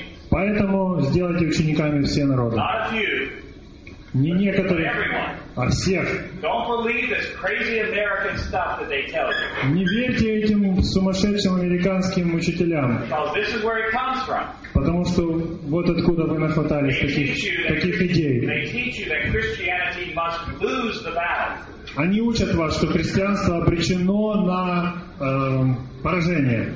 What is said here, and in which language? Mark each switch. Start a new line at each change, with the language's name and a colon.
Russian: Поэтому сделайте учениками все народы. Не некоторых, а всех.
English: Don't believe this crazy American stuff that they tell you.
Russian: Не верьте этим сумасшедшим американским учителям.
English: Because this is where it comes from.
Russian: Потому что вот откуда вы нахватались таких идей.
English: They teach you that Christianity must lose the battle.
Russian: Они учат вас, что христианство обречено на поражение.